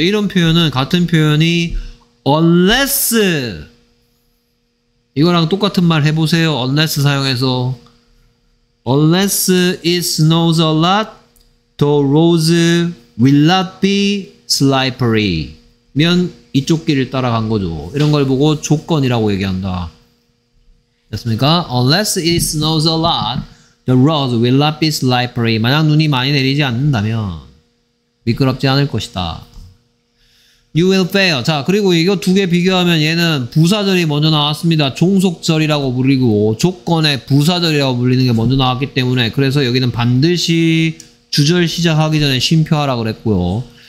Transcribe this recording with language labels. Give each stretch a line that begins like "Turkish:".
Korean: 이런 표현은 같은 표현이 unless 이거랑 똑같은 말 해보세요.
English: Unless
Korean: 사용해서
English: Unless it snows a lot the roads will not be slippery
Korean: 면 이쪽 길을 따라간 거죠. 이런 걸 보고 조건이라고 얘기한다. 됐습니까?
English: Unless it snows a lot the roads will not be slippery.
Korean: 만약 눈이 많이 내리지 않는다면 미끄럽지 않을 것이다.
English: You will fail.
Korean: 자, 그리고 이거 두 개 비교하면 얘는 부사절이 먼저 나왔습니다. 종속절이라고 부르고 조건의 부사절이라고 불리는 게 먼저 나왔기 때문에 그래서 여기는 반드시 주절 시작하기 전에 쉼표하라 그랬고요.